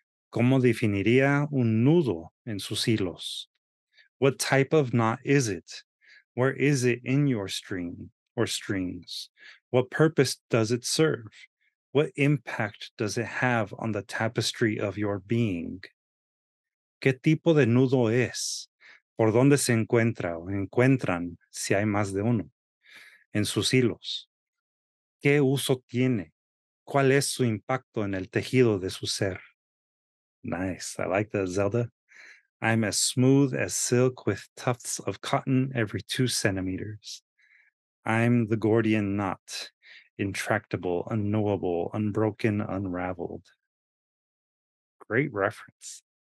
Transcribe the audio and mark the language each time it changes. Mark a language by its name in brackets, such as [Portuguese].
[Spanish] ¿Cómo definiría un nudo en sus hilos? [English] What type of knot is it? Where is it in your string? or strings? What purpose does it serve? What impact does it have on the tapestry of your being? [Spanish] ¿Qué tipo de nudo es? ¿Por dónde se encuentra o encuentran, si hay más de uno, en sus hilos? ¿Qué uso tiene? ¿Cuál es su impacto en el tejido de su ser? [English] Nice. I like that, Zelda. I'm as smooth as silk with tufts of cotton every 2 centimeters. I'm the Gordian knot, intractable, unknowable, unbroken, unraveled. Great reference.